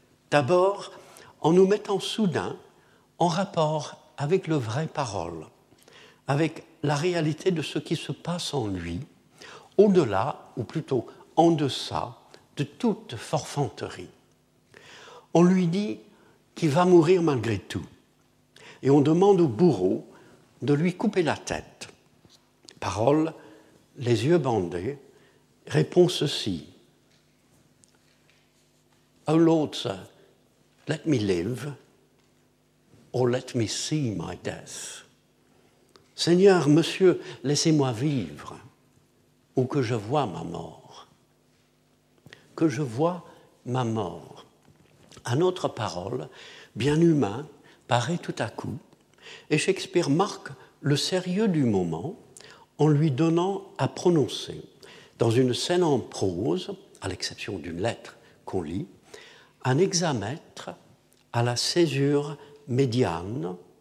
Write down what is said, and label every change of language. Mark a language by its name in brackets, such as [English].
[French] D'abord, en nous mettant soudain en rapport avec le vrai Parole, avec la réalité de ce qui se passe en lui, au-delà, ou plutôt en deçà, de toute forfanterie. On lui dit qui va mourir malgré tout. Et on demande au bourreau de lui couper la tête. Parole, les yeux bandés, répond ceci. [English] O Lord, sir, let me live, or let me see my death. [French] Seigneur, monsieur, laissez-moi vivre, ou que je voie ma mort. Que je voie ma mort. À notre parole, bien humain, paraît tout à coup, et Shakespeare marque le sérieux du moment en lui donnant à prononcer, dans une scène en prose, à l'exception d'une lettre qu'on lit, un hexamètre à la césure médiane,